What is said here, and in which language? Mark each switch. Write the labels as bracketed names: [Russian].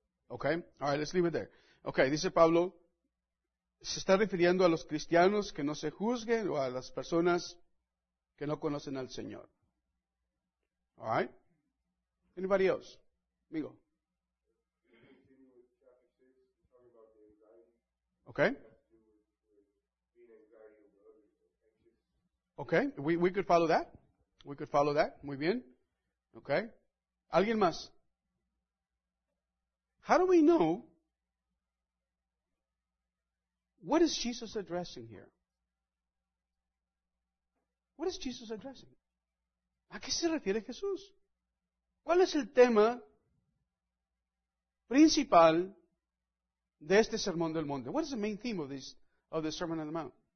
[English] Okay, all right, let's leave it there. [Spanish] Okay, dice Pablo, se está refiriendo a los cristianos que no se juzguen o a las personas que no conocen al Señor. [English] All right? Anybody else? Amigo. Okay. Okay, we could follow that. We could follow that. [Spanish] Muy bien. [English] Okay. [Spanish] ¿Alguien más? [English] How do we know what is Jesus addressing here? What is Jesus addressing? [Spanish] ¿A qué se refiere Jesús? ¿Cuál es el tema principal de este Sermón del Monte? [English] What is the main theme of the Sermon on the Mount?